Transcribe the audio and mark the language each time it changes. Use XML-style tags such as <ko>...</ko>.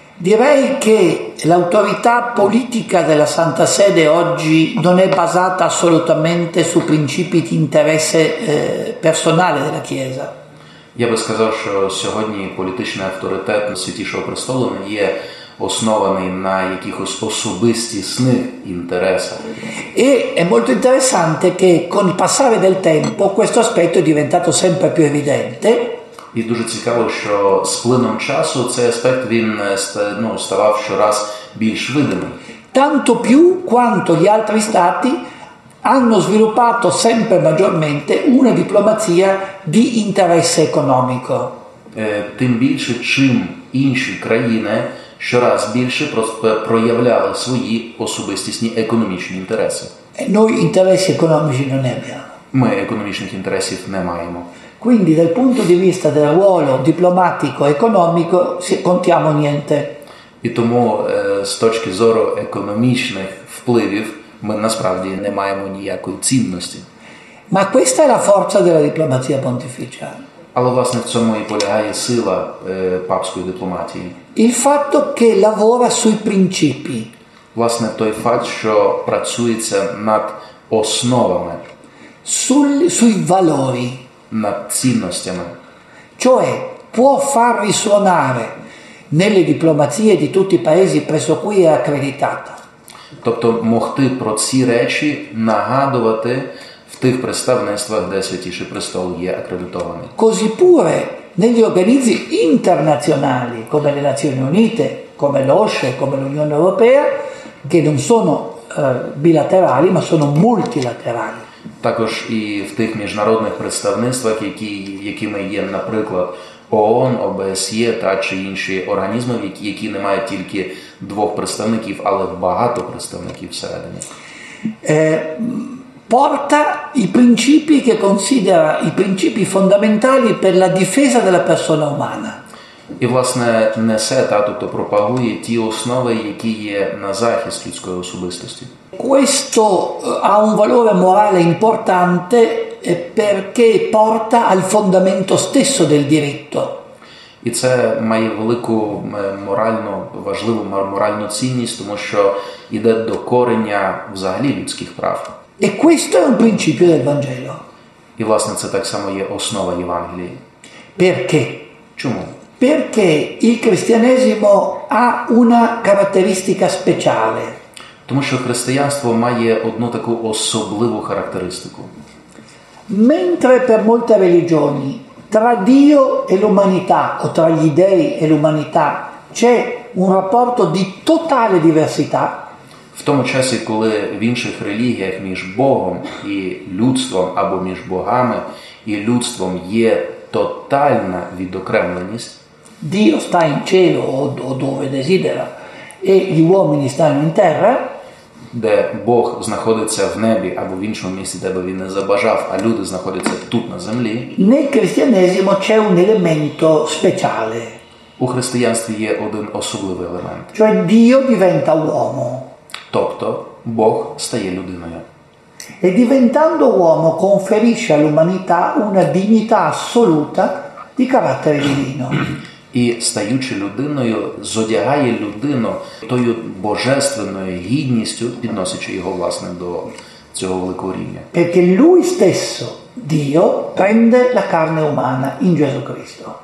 <it>Direi che l'autorità politica della Santa Sede oggi non è basata assolutamente su principi di interesse personale della Chiesa.</it> <uk>Я би сказав, що сьогодні політичний авторитет Святішого Престолу не є оснований на якихось особистісних інтересах.</uk> <it>E è molto interessante che con il passare del tempo questo aspetto è diventato sempre più evidente.</it> <uk>І дуже цікаво, що з плином часу цей аспект він ставав щораз більш видимим.</uk> <it>Tanto più quanto gli altri stati hanno sviluppato sempre maggiormente una diplomazia di interesse economico.</it> <uk>Тим більше, чим інші країни щораз більше проявляли свої особистісні економічні інтереси.</uk> <it>Noi interessi economici non ne abbiamo.</it> <uk>Ми економічних інтересів не маємо.</uk> <it>Quindi dal punto di vista del ruolo diplomatico economico contiamo niente.</it> <uk>І тому з точки зору економічних впливів ми насправді не маємо ніякої цінності.</uk> <it>Ma questa è la forza della diplomazia pontificale.</it> <uk>Але власне в цьому і полягає сила папської дипломатії.</uk> <it>Il fatto che lavora sui principi.</it> <uk>Власне той факт, що працюється над основами.</uk> <it>Sui valori.</it> <uk>Над цінностями.</uk> <it>Cioè può far risuonare nelle diplomazie di tutti i paesi presso cui è accreditata.</it> <uk>Тобто могти про ці речі нагадувати в тих представництвах, де Святіший Престол є акредитований.</uk> <it>Così pure negli organismi internazionali, come le Nazioni Unite, come l'OSCE, come l'Unione Europea, che non sono bilaterali, ma sono multilaterali.</it> <uk>Також і в тих міжнародних представництвах, якими є, наприклад, ООН, ОБСЄ та чи інші організми, які не мають тільки двох представників, але багато представників всередині.</uk> <it>Porta i principi che considera i principi fondamentali per la difesa della persona umana.</it> <uk>І, власне, несе, тобто пропагує ті основи, які є на захист людської особистості.</uk> <it>Questo ha un valore morale importante perché porta al fondamento stesso del diritto.</it> <uk>І це має велику моральну, важливу моральну цінність, тому що йде до корення взагалі людських прав.</uk> <it>E questo è un principio del Vangelo.</it> <uk>І, власне, це так само є основа Євангелії.</uk> <it>Perché?</it> <uk>Чому?</uk> <it>Perché il cristianesimo ha una caratteristica speciale.</it> <uk>Тому що християнство має одну таку особливу характеристику.</uk> <it>Mentre per molte religioni tra Dio e l'umanità o tra gli dèi e l'umanità c'è un rapporto di totale diversità.</it> <uk>В тому часі, коли в інших релігіях між Богом і людством або між богами і людством є тотальна відокремленість.</uk> <it>Dio sta in cielo o dove desidera e gli uomini stanno in terra.</it> <uk>Де Бог знаходиться в небі або в іншому місці, де би він не забажав, а люди знаходяться тут на землі.</uk> <it>Nel cristianesimo c'è un elemento speciale.</it> <uk>У християнстві є один особливий елемент.</uk> <it>Cioè Dio diventa uomo.</it> <uk>Тобто Бог стає людиною.</uk> <it>E diventando uomo conferisce all'umanità una dignità assoluta di carattere divino.</it> <uk>І стаючи людиною, зодягає людину тою божественною гідністю, підносячи його, власне, до цього великого рівня.</uk> <it>Perché lui stesso, Dio, prende la carne umana in Gesù Cristo.</it>